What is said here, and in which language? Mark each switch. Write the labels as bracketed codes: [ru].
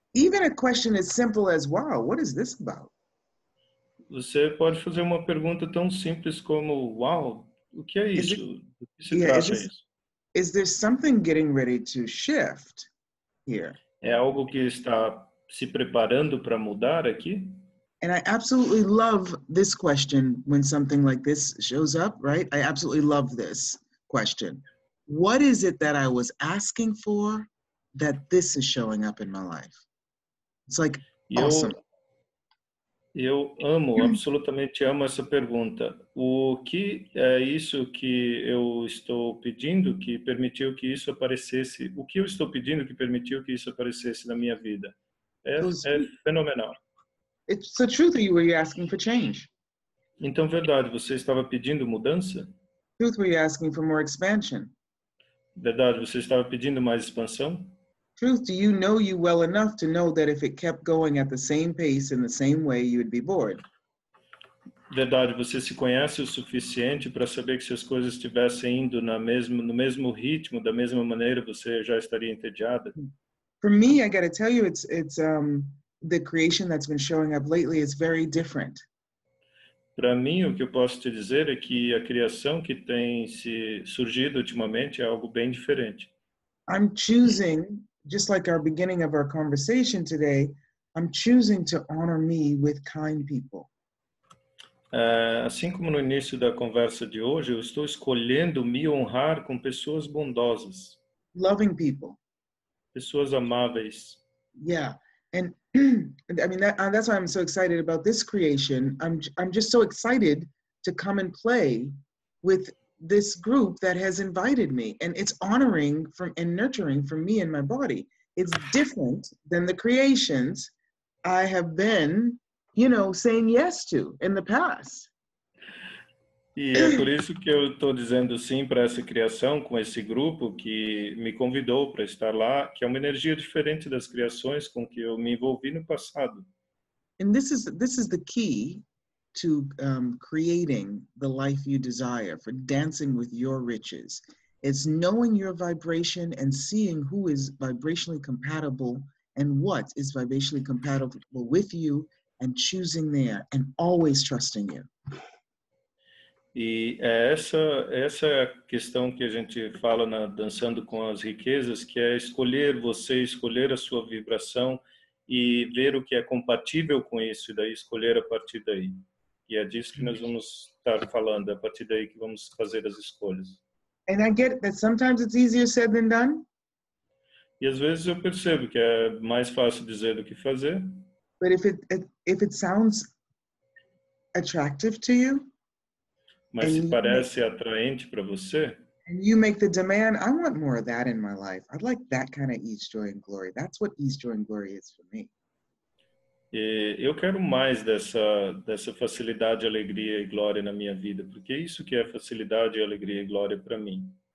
[en] Even a question as simple as, wow, what is this about? [pt] Você pode fazer uma pergunta tão simples como, wow, o que é isso? [en] Is there something getting ready to shift here? [pt] É algo que está se preparando para mudar aqui? [en] And I absolutely love this question when something like this shows up, right? I absolutely love this question. What is it that I was asking for that this is showing up in my life? It's like awesome. [pt] Eu amo, absolutamente amo essa pergunta. O que é isso que eu estou pedindo que permitiu que isso aparecesse? O que eu estou pedindo que permitiu que isso aparecesse na minha vida? É fenomenal. [en] It's the truth that you were asking for change. [pt] Então, verdade, você estava pedindo mudança? [en] Truth, were you asking for more expansion? [pt] Verdade, você estava pedindo mais expansão? [en] Truth, do you know you well enough to know that if it kept going at the same pace in the same way, you would be bored? [pt] Verdade, você se conhece o suficiente para saber que se as coisas estivessem indo no mesmo ritmo, da mesma maneira, você já estaria entediada? [en] For me, I got to tell you, it's the creation that's been showing up lately is very different. [pt] Para mim, o que eu posso te dizer é que a criação que tem se surgido ultimamente é algo bem diferente. [en] I'm choosing, just like our beginning of our conversation today, I'm choosing to honor me with kind people. [pt] Assim como no início da conversa de hoje, eu estou escolhendo me honrar com pessoas bondosas. [en] Loving people. [pt] Pessoas amáveis. [en] Yeah. And I mean, that's why I'm so excited about this creation. I'm just so excited to come and play with this group that has invited me. And it's honoring from and nurturing for me and my body. It's different than the creations I have been, you know, saying yes to in the past. [pt] E é por isso que eu estou dizendo sim para essa criação, com esse grupo que me convidou para estar lá, que é uma energia diferente das criações com que eu me envolvi no passado. [en] And this is the key to creating the life you desire, for dancing with your riches. It's knowing your vibration and seeing who is vibrationally compatible and what is vibrationally compatible with you, and choosing there and always trusting you. [pt] E é essa é a questão que a gente fala na Dançando com as Riquezas, que é escolher você, escolher a sua vibração e ver o que é compatível com isso, e daí escolher a partir daí. E é disso que nós vamos estar falando, é a partir daí que vamos fazer as escolhas. [en] And I get that sometimes it's easier said than done. [pt] E às vezes eu percebo que é mais fácil dizer do que fazer. [en] But if it sounds attractive to you, [pt] mas se parece atraente para você, [en] and you make the demand, I want more of that in my life. I'd like that kind of ease, joy and glory. That's what ease, joy and glory is for me. [pt] E eu quero mais dessa facilidade, alegria e glória na minha vida, porque isso que é facilidade, alegria e glória para mim.